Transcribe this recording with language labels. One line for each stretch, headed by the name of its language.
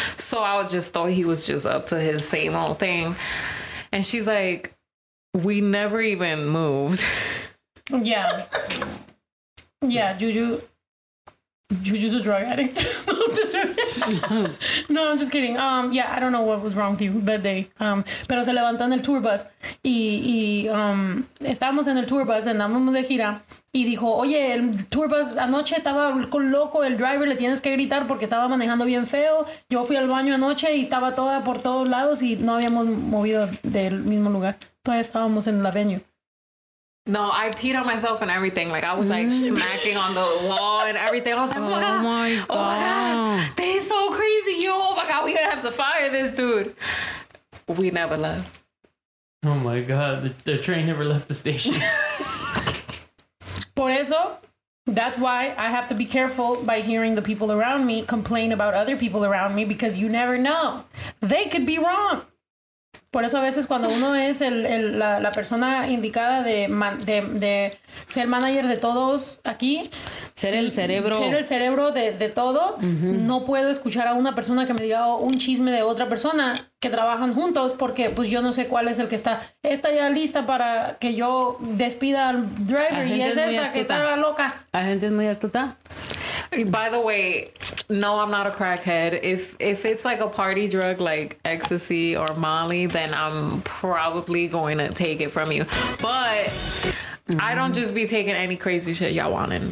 English: So I just thought he was just up to his same old thing. And she's like, we never even moved. Yeah. Yeah, Juju's a drug addict. I'm just joking. No, I'm just kidding. Yeah, I don't know what was wrong with you that day.
Spanish: Pero se levantó en el tour bus. Y estábamos en el tour bus, andábamos de gira. Y dijo, oye, el tour bus anoche estaba con loco. El driver le tienes que gritar porque estaba manejando bien feo. Yo fui al baño anoche y estaba toda por todos lados y no habíamos movido del mismo lugar. Todavía estábamos en la venue.
English: No, I peed on myself and everything. Like, I was, like, smacking on the wall and everything. I was like, oh, my God. Oh, my God. They're so crazy. Yo, oh, my God. We gonna have to fire this dude. We never left. Oh, my God. The train never left the station.
Spanish: Por eso,
English: that's why I have to be careful by hearing the people around me complain about other people around me, because you never know. They could be wrong.
Spanish: Por eso a veces cuando uno es la persona indicada de ser manager de todos aquí. Ser el cerebro. Ser el cerebro de todo. Uh-huh. No puedo escuchar a una persona que me diga un chisme de otra persona que trabajan juntos, porque pues yo no sé cuál es el que está ya lista para que yo despida al driver. Y es esta que está loca. La gente es muy astuta.
English: By the way, no, I'm not a crackhead. If it's like a party drug like ecstasy or Molly, then I'm probably going to take it from you. But I don't just be taking any crazy shit y'all wanting.